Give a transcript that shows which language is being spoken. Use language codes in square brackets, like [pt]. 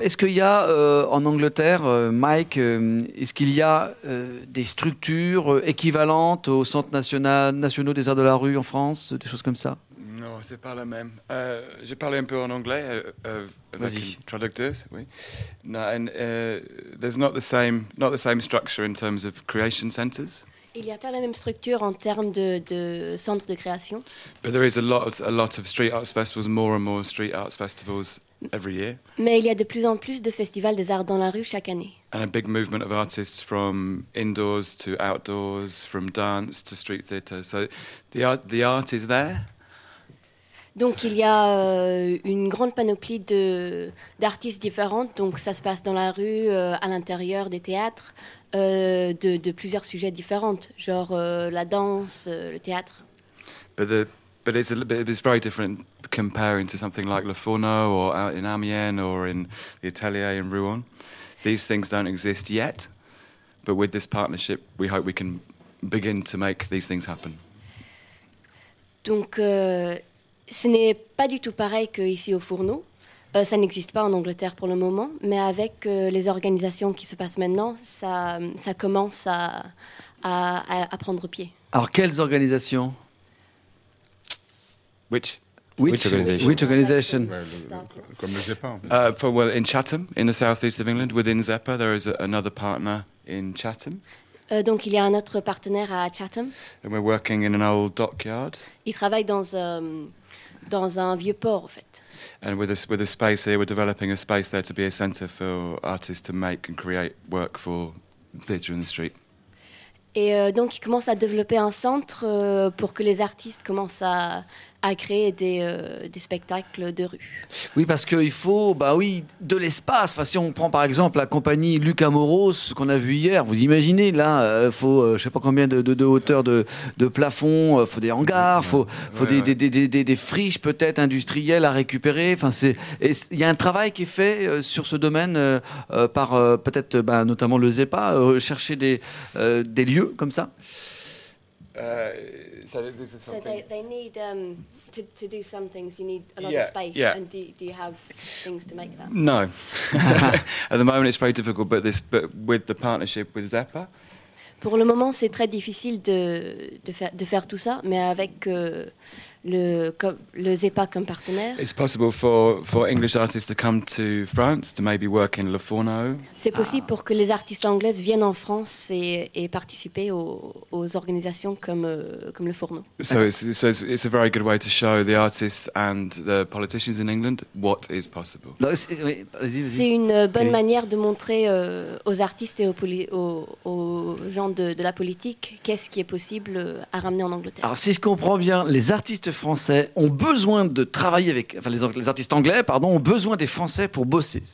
[fr] Est-ce qu'il y a en Angleterre, Mike, est-ce qu'il y a des structures équivalentes aux centres nationaux des arts de la rue en France, des choses comme ça? Non, c'est pas la même. J'ai parlé un peu en anglais avec les traducteurs. Oui. [en] No, and there's not the same structure in terms of creation centers. [fr] Il n'y a pas la même structure en termes de centres de création. [en] But there is a lot of street arts festivals, more and more street arts festivals every year. [fr] Mais il y a de plus en plus de festivals des arts dans la rue chaque année. [en] And a big movement of artists from indoors to outdoors, from dance to street theatre. So the art is there. [fr] Donc il y a une grande panoplie d'artistes différentes, donc ça se passe dans la rue, à l'intérieur des théâtres, de plusieurs sujets différents, genre la danse, le théâtre. [en] But it's very different comparing to something like Le Fourneau or out in Amiens or in the Atelier in Rouen. These things don't exist yet, but with this partnership we hope we can begin to make these things happen. [fr] Donc ce n'est pas du tout pareil qu'ici au Fourneau. Ça n'existe pas en Angleterre pour le moment, mais avec les organisations qui se passent maintenant, ça commence à prendre pied. Alors, quelles organisations? [en] Which organization? [fr] Comme le ZEPA. [en] In Chatham, in the southeast of England, within ZEPA, there is another partner in Chatham. [fr] Donc il y a un autre partenaire à Chatham. [en] And we're working in an old dockyard. [fr] Il travaille dans un vieux port, en fait. [en] And with a space here, we're developing a space there to be a center for artists to make and create work for theatre in the street. [fr] Et donc il commence à développer un centre pour que les artistes commencent à créer des spectacles de rue. Oui, parce qu'il faut, bah oui, de l'espace. Enfin, si on prend par exemple la compagnie Luc Amoros qu'on a vu hier, vous imaginez, là, il faut je ne sais pas combien de hauteur de plafond, il faut des hangars, il faut des friches peut-être industrielles à récupérer. Enfin, y a un travail qui est fait sur ce domaine par peut-être notamment le ZEPA, chercher des lieux comme ça. [en] So they need to do some things, you need a lot of space. Yeah. And do you have things to make that? No. At the moment it's very difficult, but with the partnership with Zappa. [fr] Pour le moment, c'est très difficile de faire tout ça, mais avec le Zappa comme partenaire. [en] It's possible for English artists to come to France to maybe work in Le Fourneau. [fr] C'est possible pour que les artistes anglaises viennent en France et participer aux organisations comme Le Fourneau. [en] So it's a very good way to show the artists and the politicians in England what is possible. [fr] C'est une bonne manière de montrer aux artistes et aux gens de la politique qu'est-ce qui est possible à ramener en Angleterre. Alors si je comprends bien, les artistes français ont besoin de travailler avec, enfin les artistes anglais, pardon, ont besoin des Français pour bosser.